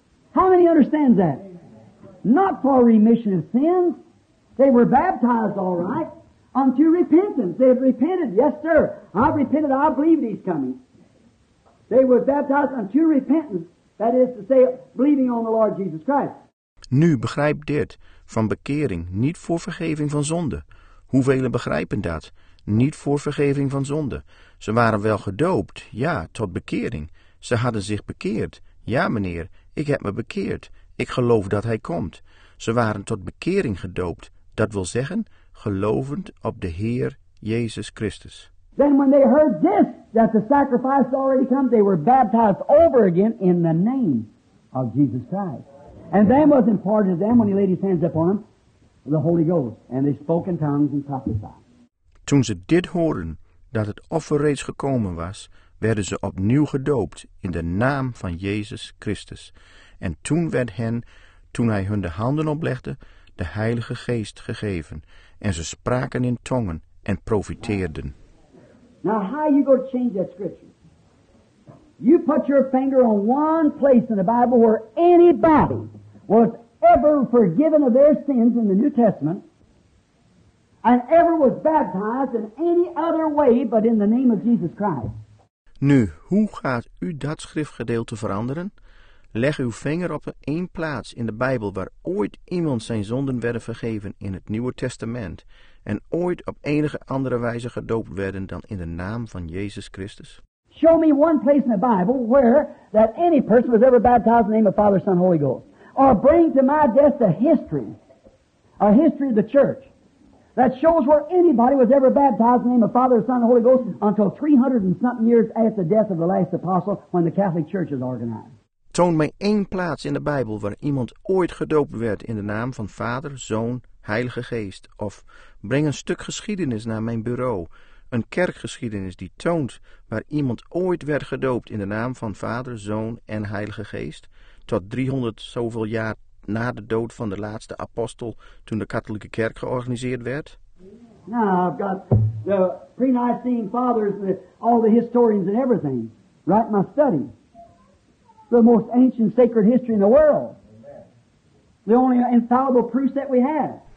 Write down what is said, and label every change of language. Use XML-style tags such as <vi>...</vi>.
<en>How many understands that? Not for remission of sins. They were baptized, all right, unto repentance. They have repented. Yes, sir. I've repented. I believe he's coming. They were baptized unto repentance. That is to say, believing on the Lord Jesus Christ.</en> <nl>Nu begrijp dit. Van bekering, niet voor vergeving van zonde. Hoeveel begrijpen dat? Niet voor vergeving van zonde. Ze waren wel gedoopt, ja, tot bekering. Ze hadden zich bekeerd. Ja, meneer, ik heb me bekeerd. Ik geloof dat hij komt. Ze waren tot bekering gedoopt. Dat wil zeggen, gelovend op de Heer Jezus Christus.</nl> <en>Then when they heard this, that the sacrifice had already come, they were baptized over again in the name of Jesus Christ. And then was imparted to them, when he laid his hands upon them, the Holy Ghost. And they spoke in tongues and prophesied.</en> <nl>Toen ze dit hoorden, dat het offer reeds gekomen was, werden ze opnieuw gedoopt in de naam van Jezus Christus. En toen werd hen, toen hij hun de handen oplegde, de Heilige Geest gegeven. En ze spraken in tongen en profiteerden.</nl> <en>Now how you go to change that scripture? You put your finger on one place in the Bible where anybody was ever forgiven of their sins in the New Testament and ever was baptized in any other way but in the name of Jesus Christ.</en> <nl>Nu, hoe gaat u dat schriftgedeelte veranderen? Leg uw vinger op één plaats in de Bijbel waar ooit iemand zijn zonden werden vergeven in het Nieuwe Testament en ooit op enige andere wijze gedoopt werden dan in de naam van Jezus Christus?</nl> <en>Show me one place in the Bible where that any person was ever baptized in the name of Father, Son, Holy Ghost. Or bring to my desk a history of the church, that shows where anybody was ever baptized in the name of Father, Son, Holy Ghost until 300 and something years after the death of the last apostle when the Catholic Church was organized.</en> <nl>Toon mij één plaats in de Bijbel waar iemand ooit gedoopt werd in de naam van Vader, Zoon, Heilige Geest. Of breng een stuk geschiedenis naar mijn bureau. Een kerkgeschiedenis die toont waar iemand ooit werd gedoopt in de naam van Vader, Zoon en Heilige Geest. Tot 300 zoveel jaar na de dood van de laatste apostel toen de katholieke kerk georganiseerd werd.</nl> <en>Now I've got the pre-Nicene fathers, all the historians and everything. Right in my study. The most ancient sacred history in the world. The only infallible proof that we have.</en>